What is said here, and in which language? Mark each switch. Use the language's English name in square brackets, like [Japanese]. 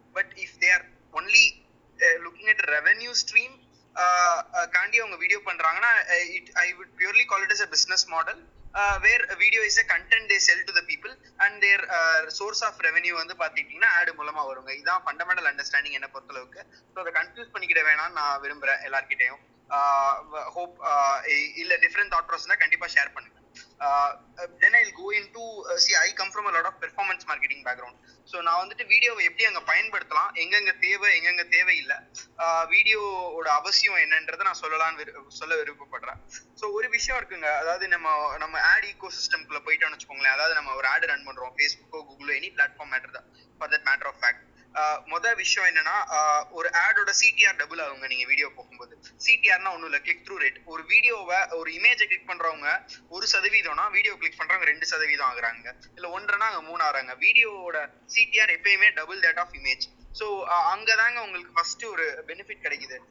[English] but if they are only looking at revenue stream [Tamil] காண்டி அவங்க video பண்றாங்கன்னா [English] it I would purely call it is a business model where video is a content they sell to the people and their source of revenue [Tamil] வந்து பாத்தீங்கன்னா ஆடு மூலமா வருங்க. இதுதான் [English] fundamental understanding [Tamil] என்ன பொறுத்தளவுக்கு. ஸோ அதை கன்ஃபியூஸ் பண்ணிக்கிட வேணாம் நான் விரும்புறேன் எல்லார்கிட்டையும். [English] hope [Tamil] இல்ல [English] different thought process [Tamil] கண்டிப்பா [English] share [Tamil] பண்ணுங்க. [English] Then I'll go into, see, I come from a lot of performance marketing background. So, now on the video, we have to find out where we have to find out. [Tamil] முத விஷயம் என்னன்னா, ஒரு ஆடோட CTR double ஆகுங்க. நீங்க video போகும்போது சிடிஆர்னா ஒண்ணும் இல்ல, [English] Click through rate. [Tamil] ஒரு வீடியோவை ஒரு இமேஜை கிளிக் பண்றவங்க 1%, வீடியோ கிளிக் பண்றவங்க 2% ஆகுறாங்க, இல்ல 1.5% ஆகுறாங்க. வீடியோவோட சிடிஆர் எப்பயுமே [English] Double that of image. [Tamil] So அங்கதாங்க உங்களுக்கு ஃபர்ஸ்ட் ஒரு பெனிஃபிட் கிடைக்குது.